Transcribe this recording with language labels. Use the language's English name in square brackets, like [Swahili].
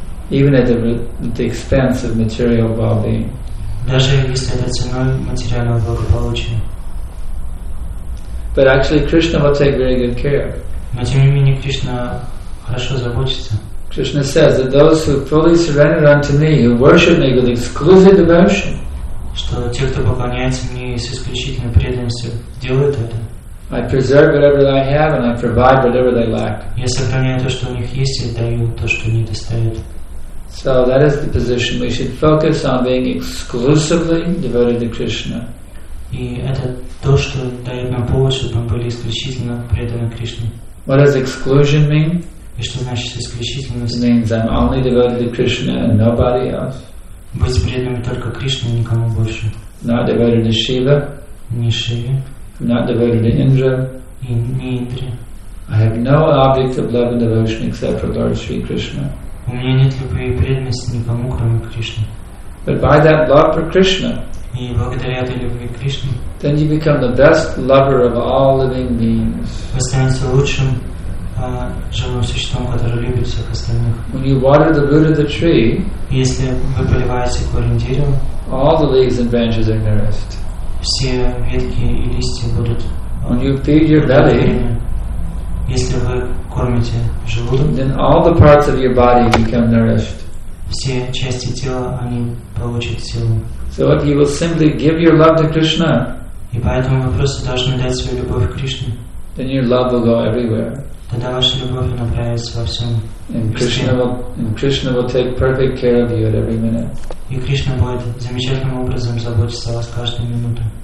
[English] Even at the expense of material well-being. [Russian] Даже если это ценой материального благополучия. [English] But actually, Krishna will take very good care. [Russian] Но тем не менее Кришна хорошо заботится. [English] Krishna says that those who fully surrender unto me, who worship me with exclusive devotion, [Russian] что те, кто поклоняется мне с исключительной преданностью, делают это. [English] I preserve whatever they have and I provide whatever they lack. [Russian] Я сохраняю то, что у них есть, и даю то, что не достает. [English] So that is the position we should focus on being exclusively devoted to Krishna. [Russian] И это то, что дает нам повод, чтобы мы были исключительно преданы Кришне. [English] What does exclusion mean? [Russian] И что значит исключительность? [English] It means I'm only devoted to Krishna and nobody else. [Russian] Быть преданным только Кришне и никому больше. [English] Not devoted to Shiva. [Russian] Не Шиве. [English] Not devoted to Indra. [Russian] И не Индре. [English] I have no object of love and devotion except for Lord Sri Krishna. [Russian] У меня нет любви и преданности никому, кроме Кришны. [English] But by that love for Krishna, [Russian] и благодаря этой любви к Кришне, [English] then you become the best lover of all living beings. [Russian] Вы становитесь лучшим живым существом, которое любит всех остальных. [English] When you water the root of the tree, [Russian] если вы поливаете корень дерева, [English] all the leaves and branches are nourished. [Russian] Все ветки и листья будут. [English] When you feed your belly, [Russian] если вы кормите желудок, [English] then all the parts of your body become nourished. [Russian] Все части тела они получат силу. [English] So if you will simply give your love to Krishna, [Russian] и поэтому вы просто должны дать свою любовь к Кришне, [English] then your love will go everywhere. [Russian] Тогда ваша любовь направится во всем. [English] And Krishna will take perfect care of you at every minute. [Russian] И Кришна будет замечательным образом заботиться о вас каждую минуту.